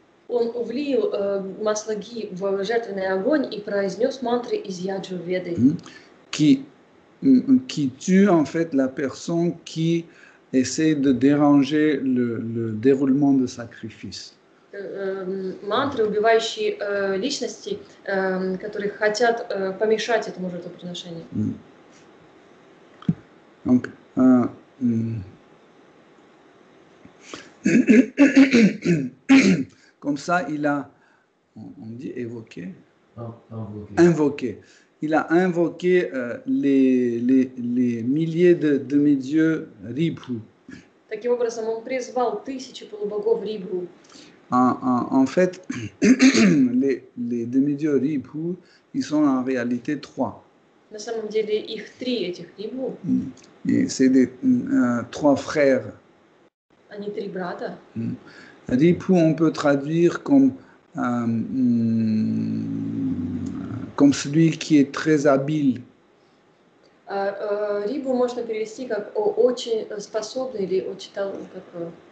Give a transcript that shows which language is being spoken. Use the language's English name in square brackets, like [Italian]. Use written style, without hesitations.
[Russian] Он влил масло ги в жертвенный огонь и произнес мантры из Яджурведы. [French] Qui tue en fait la personne qui essaie de déranger le déroulement de sacrifice. [Russian] Мантры, убивающие личности, которые хотят помешать этому жертвоприношению. [French] Donc, comme ça, il a, on dit évoqué, invoqué. Il a invoqué les milliers de demi-dieux Ribhu. [Russian] Таким образом, он призвал тысячи полубогов Рибху. [French] En fait, les demi-dieux Ribhu, ils sont en réalité trois. [Russian] На самом деле, их три этих Рибху. [French] Et c'est des trois frères. [Russian] Они три брата. [French] Ribhu, on peut traduire comme comme celui qui est très habile. [Russian] Ribhu можно перевести как очень способный или очень талантливый, как